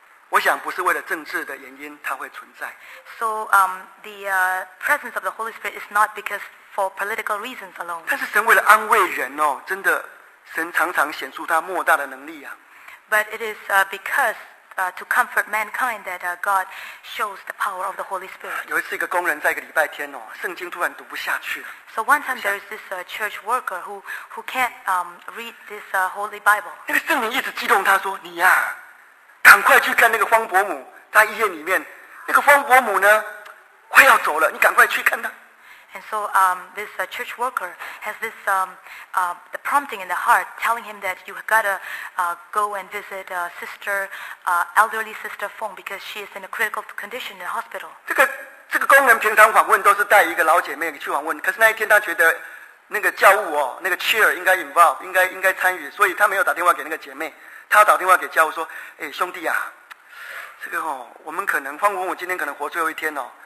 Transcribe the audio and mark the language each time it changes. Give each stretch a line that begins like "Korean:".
Chinese: 我想不是为了政治的原因，它会存在。
English: So the presence of the Holy Spirit is not because for political reasons alone.
Chinese: 但是神为了安慰人哦，真的，神常常显出他莫大的能力啊。
English: But it is because to comfort mankind that God shows the power of the Holy Spirit.
Chinese: 有一次，一个工人在一个礼拜天哦，圣经突然读不下去了。
English: So one time there is this church worker who can't read this Holy Bible.
Chinese: 那个圣灵一直激动他说：“你呀。” 赶快去看那个方伯母，在医院里面，那个方伯母呢，快要走了，你赶快去看她。
English: And so, this church worker has this the prompting in the heart, telling him that you have gotta go and visit sister, elderly sister Fong, because she is in a critical condition in the hospital.
Chinese: 这个工人平常访问都是带一个老姐妹去访问，可是那一天他觉得那个教务哦，那个 chair 应该
English: involve，
Chinese: 应该参与，所以他没有打电话给那个姐妹。他打电话给教务说：“哎，兄弟啊，这个哦，我们可能方伯母今天可能活最后一天哦。